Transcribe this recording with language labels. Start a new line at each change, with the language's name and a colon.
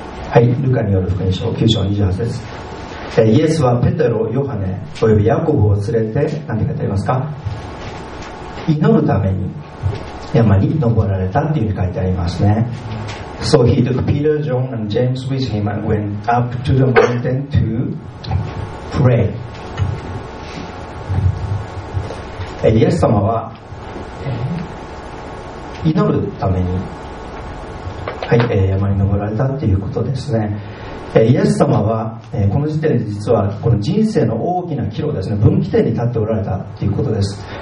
Japanese: はい、ルカによる福音書9章28節、イエスはペテロ、ヨハネ、およびヤコブを連れて、何て書いてありますか、祈るために山に登られたっていうふうに書いてありますね。
English: So he took Peter, John and James with him and went up to the mountain to pray.
Japanese: イエス様は祈るために、はい、山に登られたっていうことですね。イエス様はこの時点で実はこの人生の大きな岐路ですね、分岐点に立っておられたということです。